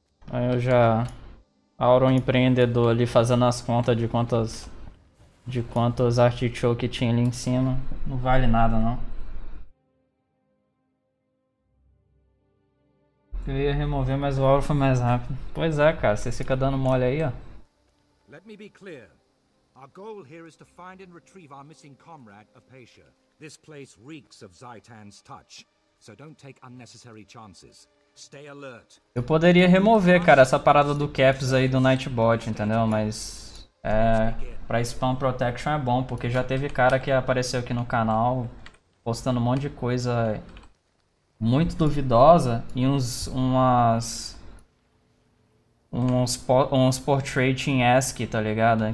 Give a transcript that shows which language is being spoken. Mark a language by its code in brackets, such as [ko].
[pt] Aí eu já. Auro um empreendedor ali fazendo as contas de quantas. De quantos artichoke tinha ali em cima. Não vale nada, não. Eu ia remover, mas o alvo foi mais rápido. Pois é, cara, você fica dando mole aí, ó. [en] Let me be clear. Our goal here is to find and retrieve our missing comrade, Apatia. This place reeks of Zaitan's touch, so don't take unnecessary chances. Stay alert. [pt] Eu poderia remover, cara, essa parada do Caps aí do Nightbot, entendeu? Mas é, pra [en] spam protection [pt] é bom, porque já teve cara que apareceu aqui no canal postando um monte de coisa muito duvidosa e uns portrait em ASCII, tá ligado?